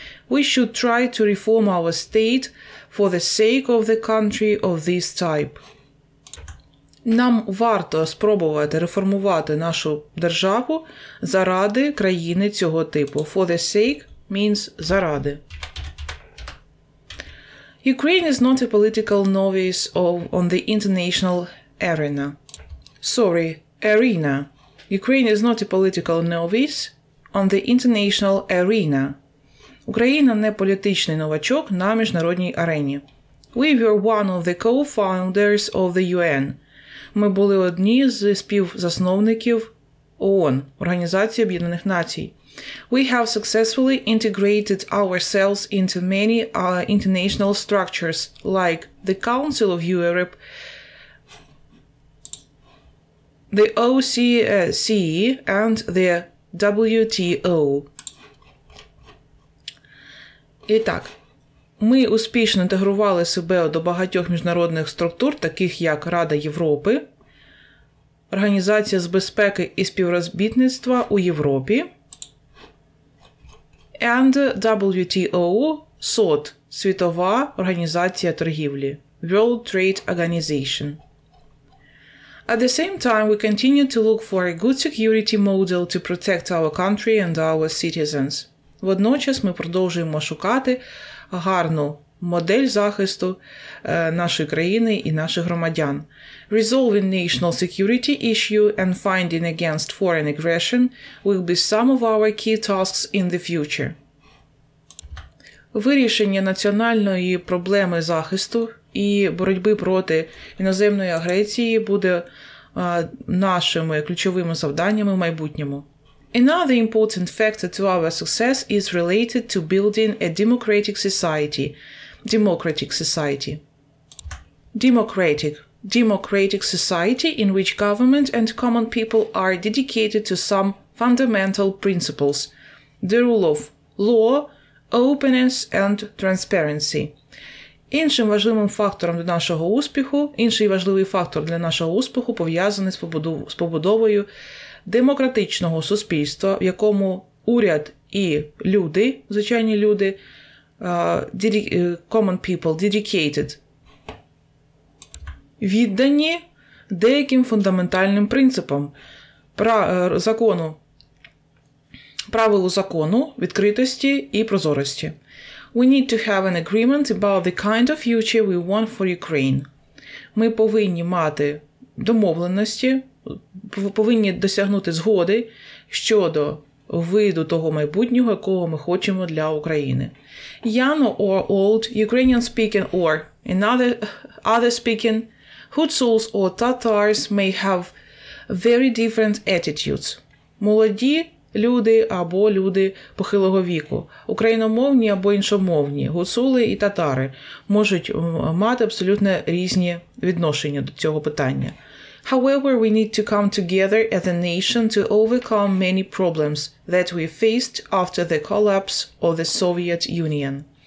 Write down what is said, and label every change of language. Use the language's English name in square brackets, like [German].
[English] We should try to reform our state for the sake of the country of this type. [Ukrainian] Нам варто спробувати реформувати нашу державу заради країни цього типу. [English] For the sake means заради. Ukraine is not a political novice on the international arena. Sorry, arena. Ukraine is not a political novice on the international arena. [Ukrainian] Україна не політичний новачок на міжнародній арені. [English] We were one of the co-founders of the UN. [Ukrainian] Ми були одні з співзасновників ООН, Організації Об'єднаних Націй. [English] We have successfully integrated ourselves into many international structures, like the Council of Europe, the OSCE and the WTO. [Ukrainian] І так, ми успішно інтегрували себе до багатьох міжнародних структур, таких як Рада Європи, Організація з безпеки і співробітництва у Європі, and WTO, SOT, Світова організація торгівлі, World Trade Organization. [English] At the same time, we continue to look for a good security model to protect our country and our citizens. [Ukrainian] Водночас ми продовжуємо шукати гарну модель захисту нашої країни і наших громадян. [English] Resolving national security issue and fighting against foreign aggression will be some of our key tasks in the future. [Ukrainian] Вирішення національної проблеми захисту і боротьби проти іноземної агресії буде нашими ключовими завданнями в майбутньому. [English] Another important factor to our success is related to building a democratic society. Democratic society. Democratic. Democratic society in which government and common people are dedicated to some fundamental principles. The rule of law, openness and transparency. [Ukrainian] Іншим важливим фактором для нашого успіху, інший важливий фактор для нашого успіху пов'язаний з побудовою демократичного суспільства, в якому уряд і люди, звичайні люди, [English] common people, dedicated, [Ukrainian] віддані деяким фундаментальним принципам закону, правилу закону, відкритості і прозорості. [English] We need to have an agreement about the kind of future we want for Ukraine. [Ukrainian] Ми повинні мати домовленості, повинні досягнути згоди щодо виду того майбутнього, якого ми хочемо для України. [English] Young or old, Ukrainian speaking or other speaking, Hutsuls or Tatars may have very different attitudes. [Ukrainian] Молоді люди або люди похилого віку, україномовні або іншомовні, гуцули і татари, можуть мати абсолютно різні відношення до цього питання. [English] However, we need to come together as a nation to overcome many problems that we faced after the collapse of the Soviet Union.